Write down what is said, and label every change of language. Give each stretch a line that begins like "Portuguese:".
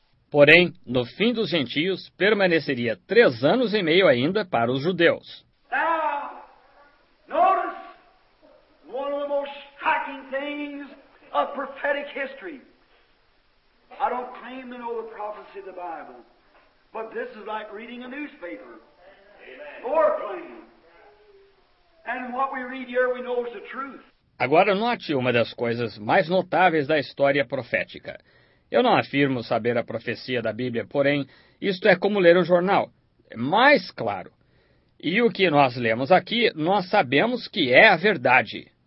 Portuguese: Porém, no fim dos gentios, permaneceria 3.5 anos ainda para os judeus. Agora, uma das mais impactantes da história profética.
English: I don't claim to know the prophecy of the Bible, but this is like reading a newspaper. Amen. Or a claim. And what we read here, we know is the truth.
Portuguese: Agora note uma das coisas mais notáveis da história profética. Eu não afirmo saber a profecia da Bíblia, porém, isto é como ler um jornal. É mais claro. E o que nós lemos aqui, nós sabemos que é a verdade.